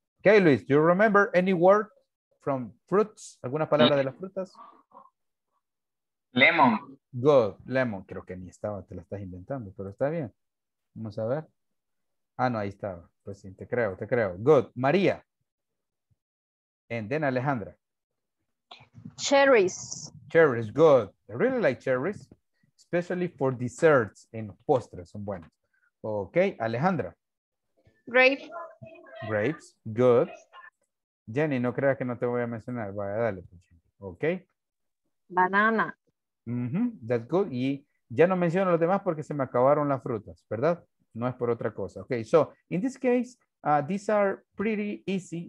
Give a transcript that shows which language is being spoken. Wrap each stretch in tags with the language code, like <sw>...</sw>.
<en>Okay, Luis, do you remember any word from fruits?</en> <es>¿Alguna palabra de las frutas?</es> <en>Lemon. Good, lemon.</en> <es>Creo que ni estaba, te la estás inventando, pero está bien. Vamos a ver. Ah, no, ahí estaba. Pues sí, te creo, te creo. Good. María.</es> <en>And then Alejandra. Cherries. Cherries, good. I really like cherries. Especially for desserts and</en> <es>postres, son buenos.</es> <en>Okay, Alejandra. Grapes. Grapes, good.</en> <es>Jenny, no creas que no te voy a mencionar. Vaya, dale. Okay.</es> <en>Banana. Mm-hmm, that's good.</en> <es>Y ya no menciono los demás porque se me acabaron las frutas, ¿verdad? No es por otra cosa.</es> <en>Okay, so, in this case, these are pretty easy.</en>